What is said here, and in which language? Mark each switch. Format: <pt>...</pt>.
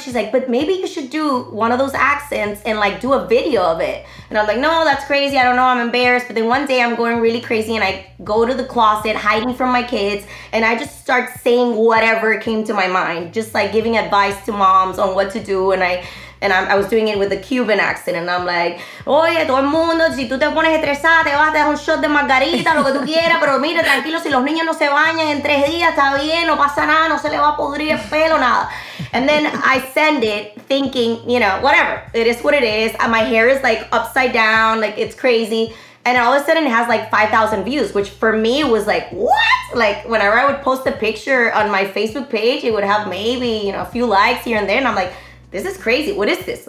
<en>She's like, but maybe you should do one of those accents and like do a video of it. And I'm like, no, that's crazy. I don't know. I'm embarrassed. But then one day I'm going really crazy and I go to the closet hiding from my kids. And I just start saying whatever came to my mind, just like giving advice to moms on what to do. And I was doing it with a Cuban accent, and I'm like,</en> <es>oye, todo el mundo, si tú te pones estresada, te vas a dar un shot de margarita, lo que tú quieras, pero mira, tranquilo, si los niños no se bañan en 3 días, está bien, no pasa nada, no se le va a podrir el pelo, nada.</es> <en>And then I send it thinking, you know, whatever, it is what it is, and my hair is like upside down, like it's crazy. And all of a sudden it has like 5,000 views, which for me was like, what? Like whenever I would post a picture on my Facebook page, it would have maybe, you know, a few likes here and there, and I'm like, this is crazy. What is this?</en>